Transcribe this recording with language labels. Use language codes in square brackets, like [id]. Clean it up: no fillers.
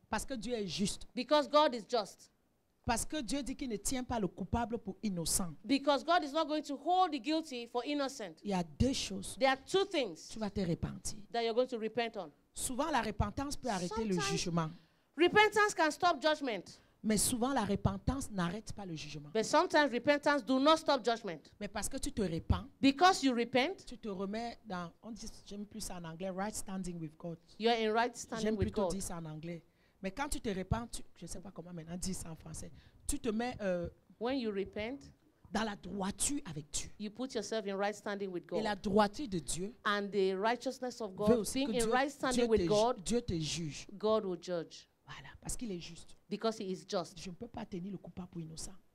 [fr] Parce que Dieu est juste. [en] Because God is just. [fr] Parce que Dieu dit qu'il ne tient pas le coupable pour innocent. [en] Because God is not going to hold the guilty for innocent. [fr] Il y a deux choses. [en] There are two things. [fr] Tu vas te repentir. [en] That you're going to repent on. [fr] Souvent la repentance peut arrêter [en] Sometimes, [fr] le jugement. [en] Repentance can stop judgment. [fr] Mais souvent la repentance n'arrête pas le jugement. [en] But sometimes repentance do not stop judgment. [fr] Mais parce que tu te repens. [en] Because you repent. [fr] Tu te remets dans on dit j'aime plus ça en anglais [en] right standing with God. You are in right standing [fr] j'aime [en] with God. [fr] J'aime plutôt dire ça en anglais. Mais quand tu te repens, je ne sais pas comment maintenant dire ça en français, tu te mets [en] When you repent, [fr] dans la droiture avec Dieu. [en] You put yourself in right standing with God. [fr] Et la droiture de Dieu [en] and the righteousness of God, being in right standing with God, [fr] Dieu te juge. [en] God will judge. [fr] Voilà, parce qu'il est juste. [en] Because he is just. [fr] Je ne peux pas tenir le coupable pour innocent.